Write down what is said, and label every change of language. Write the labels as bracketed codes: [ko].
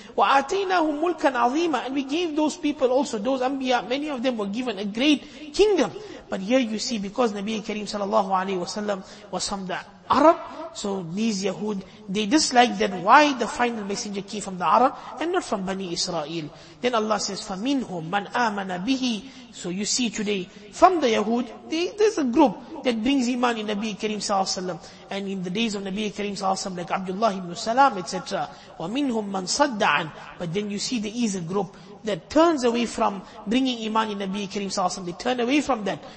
[ar] وَآتَيْنَاهُمْ مُلْكًا عَظِيمًا. [en] And we gave those people also, those anbiya, many of them were given a great kingdom. But here you see, because Nabi Kareem sallallahu alayhi wasallam was from the Arab, so these Yahud, they dislike that why the final messenger came from the Arab and not from Bani Israel. Then Allah says, [ar] فَمِنْهُمْ مَنْ آمَنَ بِهِ. [en] So you see today, from the Yahud, there's a group that brings iman in Nabi Kareem sallallahu alayhi wasallam, and in the days of Nabi Kareem sallallahu alayhi wasallam, like Abdullah ibn Salam, etc. [ar] وَمِنْهُمْ مَنْ صَدَّ عَنْ. [en] But then you see there is a group that turns away from bringing iman in Nabi Kareem sallallahu alayhi wa sallam. They turn away from that.